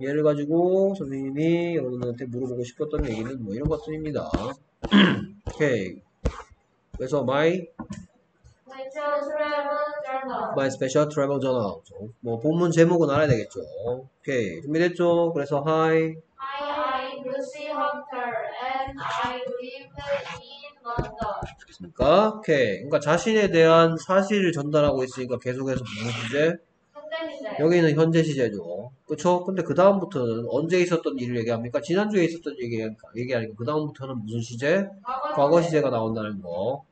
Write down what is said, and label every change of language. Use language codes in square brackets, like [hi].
[ko] 얘를 가지고 선생님이 여러분한테 물어보고 싶었던 얘기는 뭐 이런 것들입니다. 오케이. 그래서 [en] My travel journal. my special travel journal. [ko] 뭐 본문 제목은 알아야 되겠죠. 오케이. 준비됐죠? 그래서 하이. [en] Hi, I'm Lucy Hunter, and I live in London. [ko] 됐습니까? 오케이. 그러니까 자신에 대한 사실을 전달하고 있으니까 계속해서 무슨 주제? 여기는 현재 시제죠. 그쵸? 근데 그 다음부터는 언제 있었던 일을 얘기합니까? 지난주에 있었던 얘기하니까 그 다음부터는 무슨 시제? 과거 시제가 나온다는 거.